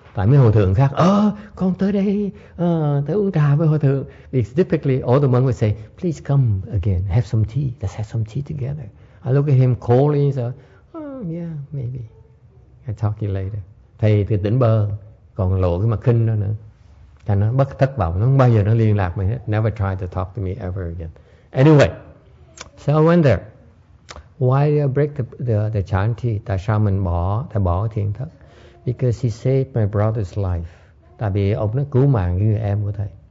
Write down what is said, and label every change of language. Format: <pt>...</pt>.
<vi>Tại mấy hòa thượng khác, con tới đây, tới uống trà với hòa thượng.</vi> <en>It's typically, all the monks would say, please come again, have some tea, let's have some tea together. I look at him coldly and say, yeah, maybe, I'll talk to you later.</en> <vi>Thầy thì tỉnh bơ, còn lộ cái mặt khinh đó nữa. Cho nó bất thất vọng, nó không bao giờ nó liên lạc mình hết.</vi> <en>Never try to talk to me ever again. Anyway, so I went there. Why did I break the chan tea?</en> <vi>Tại sao mình bỏ, thầy bỏ cái thiền thất?</vi> <en>Because he saved my brother's life.</en> <vi>Tại vì ông nó cứu mạng cái người em của thầy.</vi>